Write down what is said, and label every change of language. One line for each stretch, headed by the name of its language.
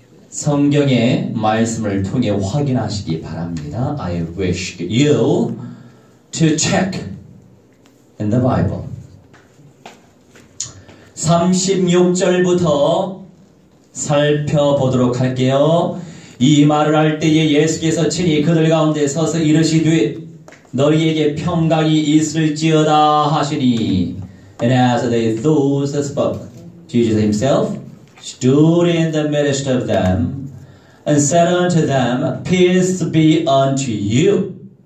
Korean: 성경의 말씀을 통해 확인하시기 바랍니다.
English: I wish you to check in the Bible.
Korean: 36절부터 살펴보도록 할게요. 이 말을 할 때에 예수께서 친히 그들 가운데 서서 이르시되 너희에게 평강이 있을지어다 하시니
English: And as they thus spoke, Jesus himself stood in the midst of them and said unto them, Peace be unto you.